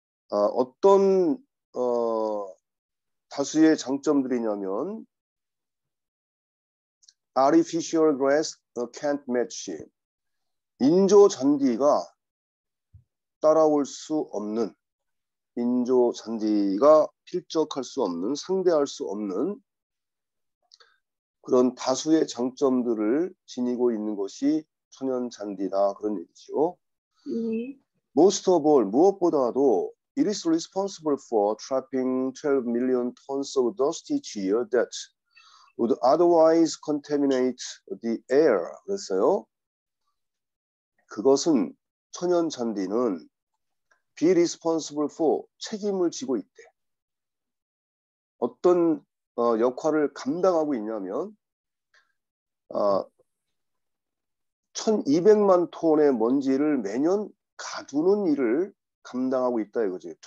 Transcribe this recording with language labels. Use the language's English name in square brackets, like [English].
[Korean] 어떤 다수의 장점들이냐면 [English] artificial grass can't match [Korean] 인조잔디가 따라올 수 없는 인조잔디가 필적할 수 없는 상대할 수 없는 그런 다수의 장점들을 지니고 있는 것이 천연잔디다 그런 얘기죠. 네. [English] Most of all, [Korean] 무엇보다도 [English] it is responsible for trapping 12 million tons of dust each year that would otherwise contaminate the air. [Korean] 그랬어요. 그것은 천연잔디는 be responsible for 책임을 지고 있대. 어떤 역할을 감당하고 있냐면 1200만 톤의 먼지를 매년 가두는 일을 감당하고 있다 이거지.